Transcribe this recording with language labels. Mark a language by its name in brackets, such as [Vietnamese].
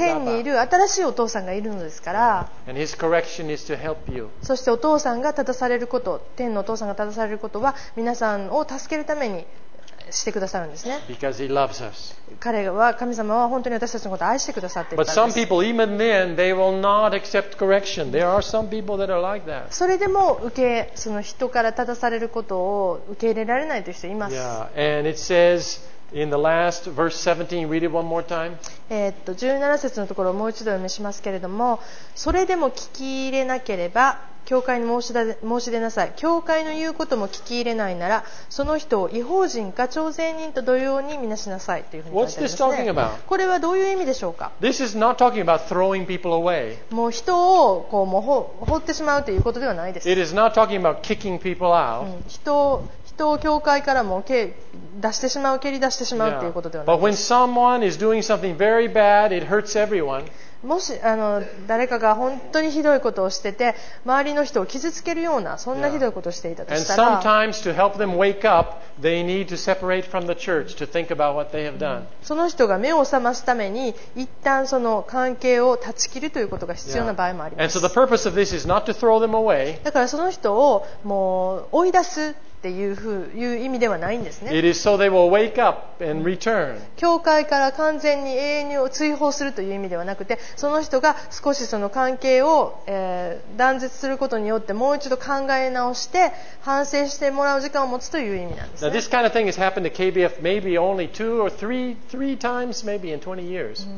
[Japanese] 天にいる新しいお父さんがいるのですから、 [English] And his correction is to help you. [Japanese] そしてお父さんが正されること、天のお父さんが正されることは皆さんを助けるためにしてくださるんですね。 [English] Because he loves us. [Japanese] 彼は神様は本当に私たちのことを愛してくださっていたんです。 [English] But some people, even then, they will not accept correction. There are some people that are like that. [Japanese] それでも受け、その人から正されることを受け入れられないという人います。 [English] Yeah. And it says in the last verse 17, read it one more time. [Japanese] 17節のところをもう一度読みしますけれども、それでも聞き入れなければ教会に申し出なさい。教会の言うことも聞き入れないなら、その人を異邦人か徴税人と同様に見なしなさいというふうに書いてありますね。 [English] What's this talking about? [Japanese] これはどういう意味でしょうか。 [English] This is not talking about throwing people away. [Japanese] もう人をこうもう放ってしまうということではないです。 [English] It is not talking about kicking people out. [Japanese] 人を教会からも出してしまう、蹴り出してしまうということではないです。Yeah. [English] But when someone is doing something very bad, it hurts everyone. [Japanese] もし誰かが本当にひどいことをしてて周りの人を傷つけるようなそんなひどいことをしていたとしたら、 [English] yeah. And sometimes to help them wake up, they need to separate from the church to think about what they have done. [Japanese] その人が目を覚ますために一旦その関係を断ち切るということが必要な場合もあります。 [English] Yeah. And so the purpose of this is not to throw them away. [Japanese] だからその人をもう追い出すという意味ではないんですね。 [English] It is so they will wake up and return. [Japanese] 教会から完全に永遠に追放するという意味ではなくて、その人が少しその関係を、断絶することによってもう一度考え直して反省してもらう時間を持つという意味なんですね。 [English] Now, this kind of thing has happened to KBF maybe only two or three times maybe in 20 years.